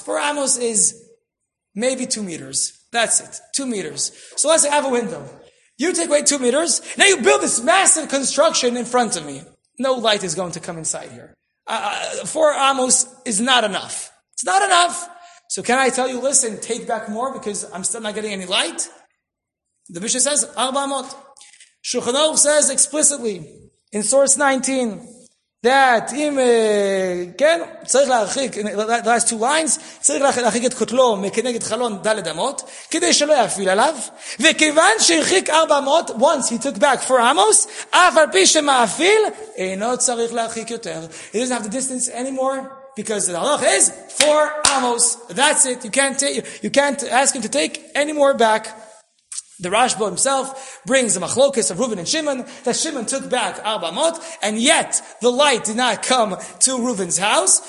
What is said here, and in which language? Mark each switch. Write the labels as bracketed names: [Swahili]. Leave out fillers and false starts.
[English] 4 amos is maybe 2 meters. That's it. 2 meters. So let's say I have a window. You take away 2 meters. Now you build this massive construction in front of me. No light is going to come inside here. 4 amos is not enough. It's not enough. So can I tell you, listen, take back more because I'm still not getting any light? The Mishnah says, 4 amot. Shulchan Aruch says explicitly in source 19 that [Hebrew] אם, כן, צריך להרחיק, [English] the last 2 lines, [Hebrew] צריך להרחיק את כותלו מכנגד חלון דלת אמות, כדי שלא יפעיל עליו, וכיוון שהרחיק [English] 4 amot, once he took back 4 amos, [Hebrew] אף על פי שמאפיל, אינו צריך להרחיק יותר. [English] He doesn't have the distance anymore, because the halach is 4 amos. That's it. You can't ask him to take any more back. The Rashbo himself brings the machlokas of Reuven and Shimon, that Shimon took back 4 amot, and yet the light did not come to Reuven's house.